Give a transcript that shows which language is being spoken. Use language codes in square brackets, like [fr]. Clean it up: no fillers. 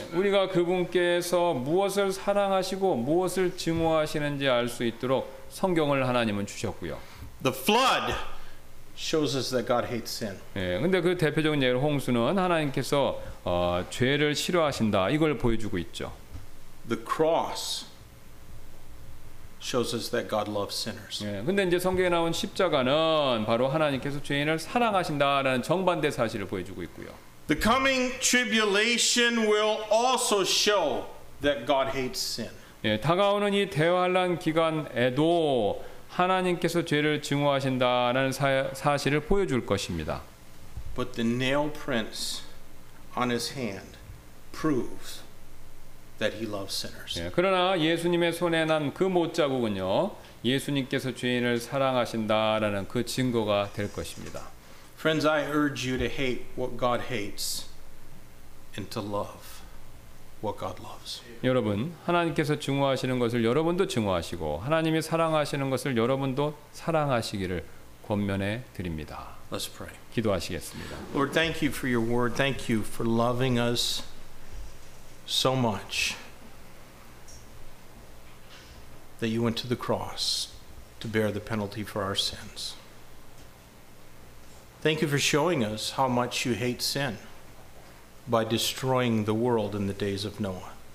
[ko] 예, 우리가 그분께서 무엇을 사랑하시고 무엇을 증오하시는지 알 수 있도록 성경을 하나님은 주셨고요. [en] The flood shows us that God hates sin. [ko] 예, 근데 그 대표적인 예로 홍수는 하나님께서 죄를 싫어하신다 이걸 보여주고 있죠. [en] The cross shows us that God loves sinners. [ko] 예, 근데 이제 성경에 나온 십자가는 바로 하나님께서 죄인을 사랑하신다라는 정반대 사실을 보여주고 있고요. [en] The coming tribulation will also show that God hates sin. [ko] 예, 다가오는 이 대환란 기간에도 하나님께서 죄를 증오하신다라는 사실을 보여줄 것입니다. [en] But the nail prints on his hand proves that he loves sinners. [ko] 예, 그러나 예수님의 손에 난 그 못자국은요, 예수님께서 죄인을 사랑하신다라는 그 증거가 될 것입니다. [en] Friends, I urge you to hate what God hates and to love what God loves. [ko] 여러분, 하나님께서 증오하시는 것을 여러분도 증오하시고 하나님이 사랑하시는 것을 여러분도 사랑하시기를 권면해 드립니다. [en] Let's pray. [ko] 기도하시겠습니다. [en] Lord, thank you for your word. Thank you for loving us so much that you went to the cross to bear the penalty for our sins. Thank you for showing us how much you hate sin by destroying the world in the days of Noah.